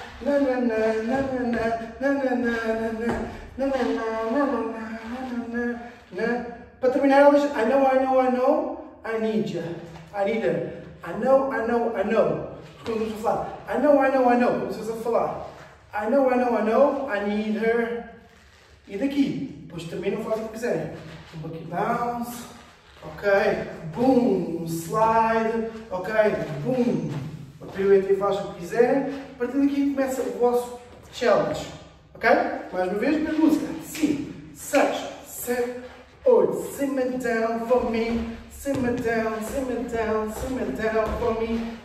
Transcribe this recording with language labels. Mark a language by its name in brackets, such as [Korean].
[Portuguese] Na na na na na na na na na na na na na na na na na na na na na. Para terminar, [English] I know, I know, I know, I need ya. I need it. I know, I know, I know. [Portuguese] Como vamos falar? [English] I know, I know, I know. [Portuguese] Vamos falar. [English] I know, I know, I know, I need her. [Portuguese] E daqui, depois termina, faz o que quiser. Um aqui bounce. Ok, boom, slide, ok, boom, a pirueta e faz o que quiser. A partir daqui começa o vosso challenge, ok? Mais uma vez, mesma música. [English] 5, 6, 7, 8, simmer down for me, simmer down, simmer down, simmer down for me.